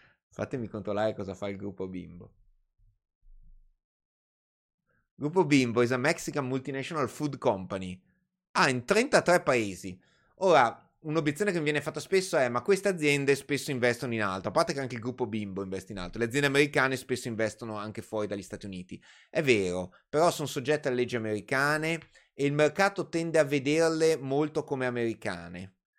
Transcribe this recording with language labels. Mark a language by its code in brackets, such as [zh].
[it] Fatemi controllare cosa fa il gruppo Bimbo. [en] Gruppo Bimbo is a Mexican multinational food company. [it] Ha in 33 paesi. Ora, un'obiezione che mi viene fatta spesso è: ma queste aziende spesso investono in altro, a parte che anche il gruppo Bimbo investe in altro. Le aziende americane spesso investono anche fuori dagli Stati Uniti. È vero, però sono soggette alle leggi americane e il mercato tende a vederle molto come americane.